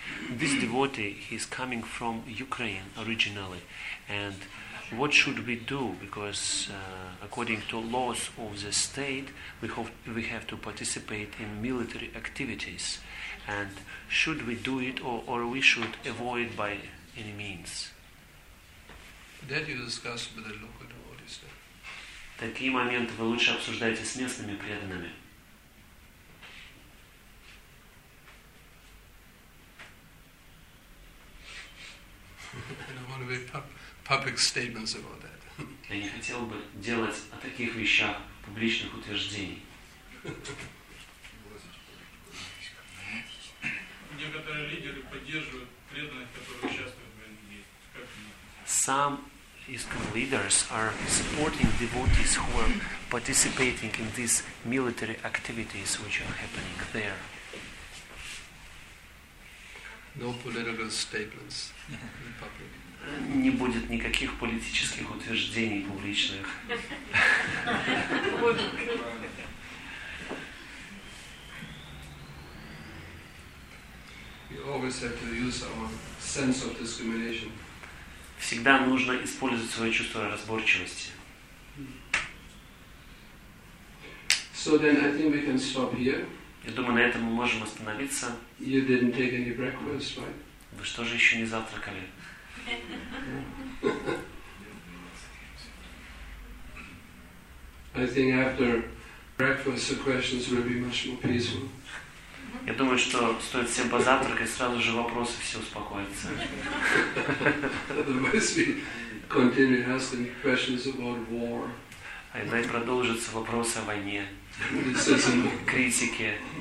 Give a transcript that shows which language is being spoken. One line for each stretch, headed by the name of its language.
English: This devotee, he's coming from Ukraine originally, and what should we do? Because according to laws of the state, we have to participate in military activities, and should we do it or we should avoid by any means? That you discuss with the local devotees.
Russian: Такие моменты вы лучше обсуждаете с местными преданными.
English: Public statements about that.
Russian: Я не хотел бы делать о таких вещах публичных утверждений. Некоторые лидеры поддерживают преданных, которые участвуют в войне.
English: Some ISKCON leaders are supporting devotees who are participating in these military activities which are happening there. No political statements in public.
Russian: Не будет никаких политических утверждений публичных.
English: We always have to use our sense of discrimination.
Russian: Всегда нужно использовать свое чувство разборчивости.
English: So then I think we can stop here.
Russian: Я думаю, на этом мы можем остановиться.
English: You didn't take any breakfast, right?
Russian: Вы что же еще не завтракали?
English: I think after breakfast the questions will be much more peaceful.
Russian: Я думаю, что стоит всем позавтракать, сразу же вопросы все успокоятся.
English: Otherwise we continue asking questions about war.
Russian: А иначе продолжатся вопросы о войне, критике.